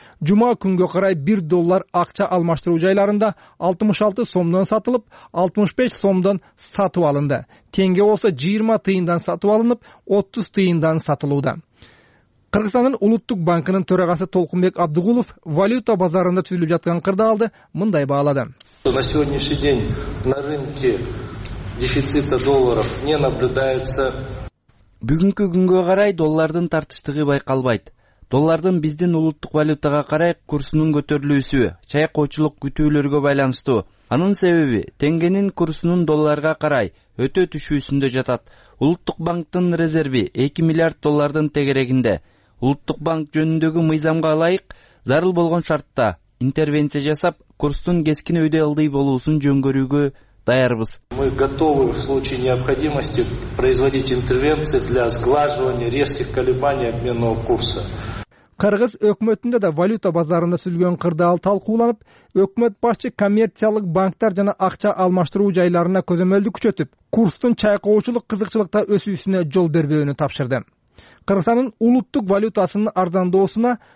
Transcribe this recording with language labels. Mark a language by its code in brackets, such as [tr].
[ky] Жума күнгө карай 1 доллар акча алмаштыруу жайларында 66 сомдон сатылып, 65 сомдон сатып алынды. Теңге болсо 20 тыйындан сатып алынып, 30 тыйындан сатылууда. Кыргызстандын улуттук банкынын төрагасы Толкунбек Абдыгулов валюта базарында түзүлүп жаткан кырдаалды мындай баалады. [ru] На сегодняшний день на рынке дефицита долларов не наблюдается. [ky] Бүгүнкү күнгө карай доллардын тартыштыгы байкалбайт. Доллардын биздин улуттук валютага карай курсунун көтөрүлүүсү чайкоочулук күтүүлөргө байланыштуу. Анын себеби теңгенин курсунун долларга карай өтө түшүүсүндө жатат. Улуттук банктын резерви 2 миллиард доллардын тегерегинде. Улуттук банк жөнүндөгү мыйзамга ылайык зарыл болгон шартта интервенция жасап, курстун кескин өйдө ылдый болуусун жөнгөрүүгө даярбыз. [ru] Мы готовы в случае необходимости производить интервенции для сглаживания резких колебаний обменного курса. [ky] Кыргыз өкмөтүндө да валюта базарында сүзүлгөн кырдаал талкууланып, өкмөт башчы коммерциялык банктар жана акча алмаштыруу жайларына көзөмөлдү күчөтүп, курстун чайкоочулук кызыкчылыкта өсүүсүнө жол бербөөнү тапшырды. Кыргызстандын улуттук валютасынын арзандоосуна